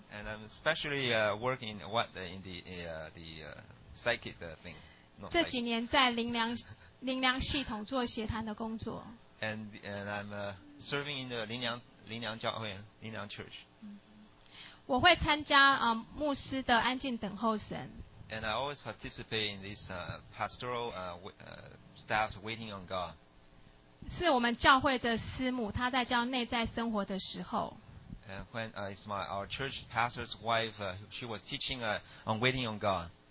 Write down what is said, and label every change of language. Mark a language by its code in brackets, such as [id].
[en] And I'm especially working in the psychic thing. [zh] 这几年在灵粮系统做协谈的工作。 [en] And I'm serving in the 灵粮教会灵粮 church. [zh] 我会参加牧师的安静等候神。 [en] And I always participate in this pastoral staff's waiting on God. [zh] 是我们教会的师母，她在教内在生活的时候。 [en] when Ismail, our church pastor's wife, she was teaching on waiting on God.